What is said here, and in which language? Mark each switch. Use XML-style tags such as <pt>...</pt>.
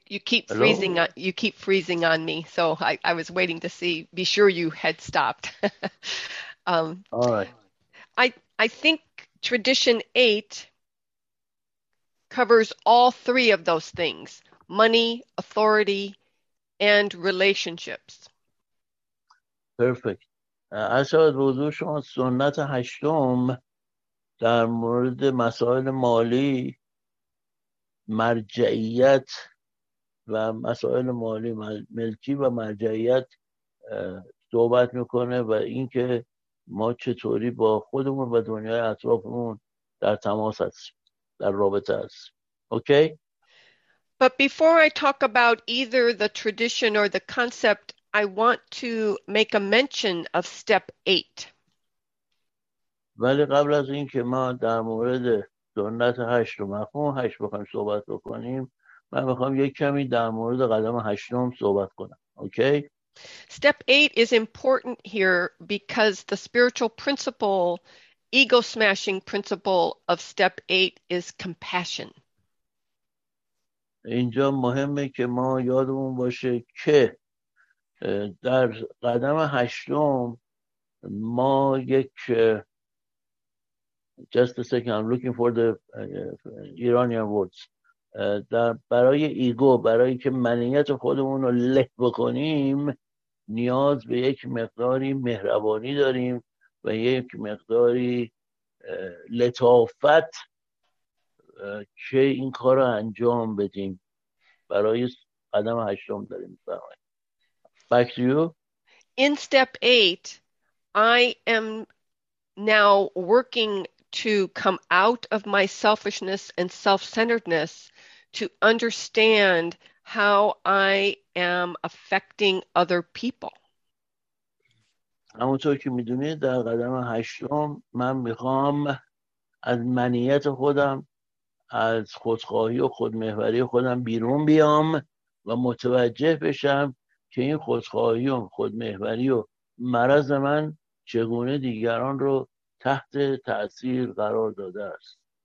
<en>You keep freezing on me, so I was waiting to see, be sure you had stopped. All right. I think Tradition 8 covers all three of those things, money, authority, and relationships. Perfect. As I was saying,</en> <fa>Sunnat Hashtom, در مورد مسائل مالی, مرجعیت و مسائل مالی, ملکی و مرجعیت صحبت میکنه و اینکه ما چطوری با خودمون و دنیای اطرافمون در تماس هستیم، در رابطه هستیم.</fa> <en>Okay? But before I talk about either the tradition or the concept, I want to make a mention of step 8.</en> <fa>ولی قبل از اینکه ما در مورد سنت هشت و مفهوم هشت بخوایم صحبت بکنیم، من میخوام یک کمی در مورد قدم هشتم صحبت کنم. اوکی؟</fa> <en>Step 8 is important here because the spiritual principle, ego-smashing principle of step 8 is compassion.</en> <fa>اینجا مهمه که ما یادمون باشه که در قدم هشتم ما یک</fa> <en>just a second, I'm looking for the Iranian words.</en> <fa>در برای ایگو، برای که منیت خودمون رو له بکنیم، نیاز به یک مقداری مهربانی داریم و یک مقداری لطافت که این کار رو انجام بدیم. برای قدم هشتم داریم.</fa> <en>Back to you. In step 8, I am now working to come out of my selfishness and self-centeredness to understand how I am affecting other people.</en> <fa>همونطور که میدونید در قدم هشتم من میخوام از منیت خودم، از خودخواهی و خودمحوری خودم بیرون بیام و متوجه بشم که این خودخواهی و خودمحوری و مرض من چگونه دیگران رو تحت تأثیر قرار داده است.</fa>